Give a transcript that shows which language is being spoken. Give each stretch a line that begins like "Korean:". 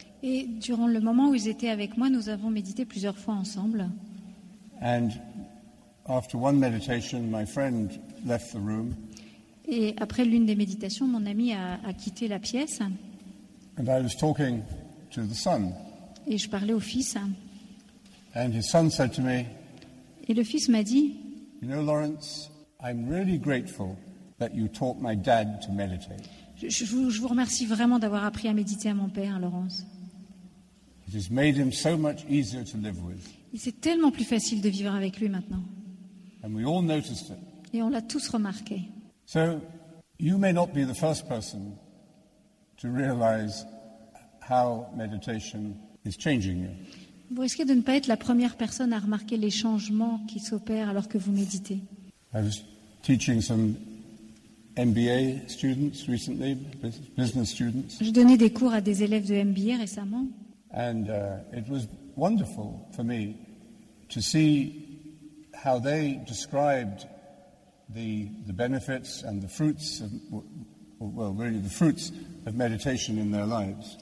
French: Et durant le moment où ils étaient avec moi, nous avons médité plusieurs fois ensemble.
English: And after one meditation, my friend left the room.
French: Et après l'une des méditations, mon ami a quitté la pièce.
English: And I was talking to the son.
French: Et je parlais au fils.
English: And his son said to me,
French: et le fils m'a dit,
English: you know, Lawrence, I'm really grateful that you taught my dad to meditate.
French: Je vous remercie vraiment d'avoir appris à méditer à mon père, Laurence.
English: It has made him so much easier to live with.
French: Et c'est tellement plus facile de vivre avec lui maintenant.
English: And we all noticed it.
French: Et on l'a tous remarqué.
English: So, you may not be the first person to realize how meditation is changing you.
French: Vous risquez de ne pas être la première personne à remarquer les changements qui s'opèrent alors que vous méditez.
English: I was teaching some MBA students recently, business students.
French: Je donnais des cours à des élèves de MBA récemment.
English: And it was wonderful for me to see how they described the benefits and the fruits of, well, really the fruits of meditation in their lives.